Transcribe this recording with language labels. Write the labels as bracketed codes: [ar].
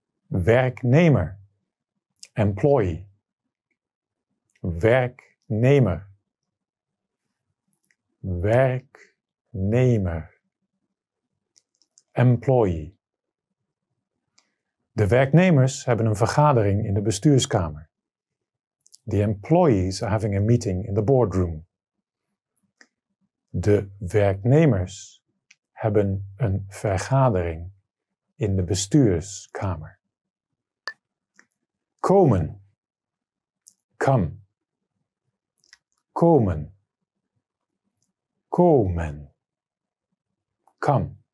[nl] Werknemer. [en] Employee. [nl] Werknemer. Werknemer. [en] Employee. [nl] De werknemers hebben een vergadering in de bestuurskamer. [en] The employees are having a meeting in the boardroom. [nl] De werknemers hebben een vergadering in de bestuurskamer. Komen. [en] Come. [nl] Komen. Komen. [en] Come.